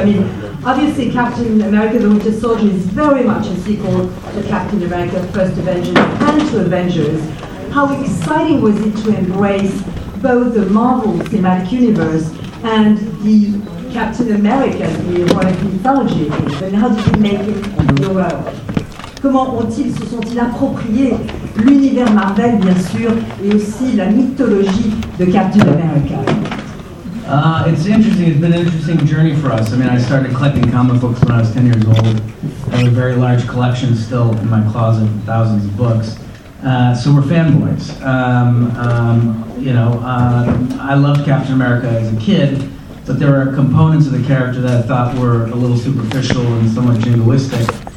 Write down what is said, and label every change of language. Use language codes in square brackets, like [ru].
[en] I mean, obviously, Captain America, The Winter Soldier, is very much a sequel to Captain America, First Avengers, and to Avengers. How exciting was it to embrace both the Marvel Cinematic Universe and the Captain America, the heroic mythology? And how did you make it your own? [fr] Comment ont-ils, se sont-ils appropriés l'univers Marvel, bien sûr, et aussi la mythologie de Captain America? [en] It's interesting. It's been an interesting journey for us. I mean, I started collecting comic books when I was 10 years old. I have a very large collection still in my closet, thousands of books. So we're fanboys. I loved Captain America as a kid, but there are components of the character that I thought were a little superficial and somewhat jingoistic.